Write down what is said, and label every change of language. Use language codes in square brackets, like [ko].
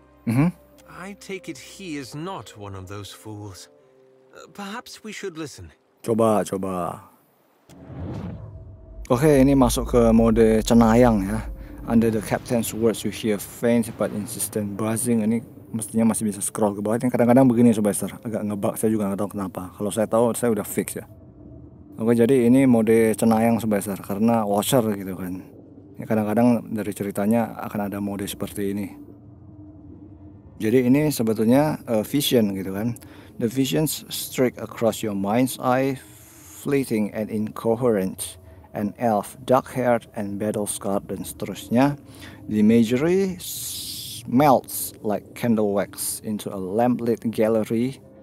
[en] Mm-hmm. I take it he is not one of those fools. Perhaps we should listen. [id] Coba, coba. Okay, ini masuk ke mode cenayang ya. [en] Under the captain's words, you hear faint but insistent buzzing. [id] Ini mestinya masih bisa scroll ke bawah. Ini kadang-kadang begini, Sylvester. Agak ngebug, saya juga gak tahu kenapa. Kalau saya tahu, saya udah fix ya. Oke, jadi ini mode cenayang, Sylvester. Karena watcher gitu kan. Ini kadang-kadang dari ceritanya akan ada mode seperti ini. Jadi ini sebetulnya vision gitu kan. [en] The visions streak across your mind's eye, fleeting and incoherent. An elf, dark-haired and battle-scarred, [id] dan seterusnya. [en] The imagery melts like candle wax into a lamp-lit gallery.